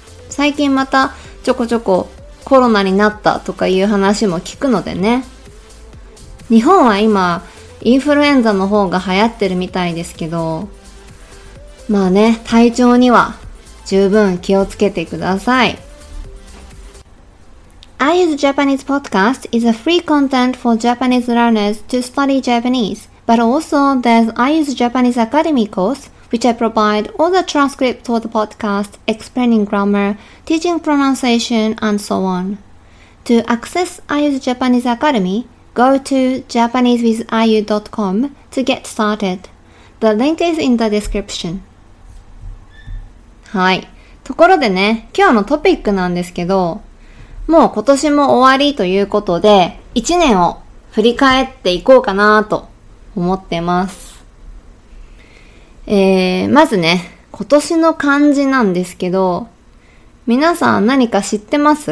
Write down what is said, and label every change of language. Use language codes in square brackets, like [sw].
[ja] 最近またちょこちょこコロナになったとかいう話も聞くのでね。日本は今インフルエンザの方が流行ってるみたいですけど、まあね、体調には十分気をつけてください。 [en] I use Japanese podcast is a free content for Japanese learners to study Japanese. But also there's I use Japanese Academy course, which I provide all the transcripts for the podcast, explaining grammar, teaching pronunciation, and so on. To access I use Japanese Academy, go to JapaneseWithIU.com to get started. The link is in the description. [ja] はい。ところでね、今日のトピックなんですけど、もう今年も終わりということで、1年を振り返っていこうかなと思ってます。まずね、今年の漢字なんですけど、皆さん何か知ってます？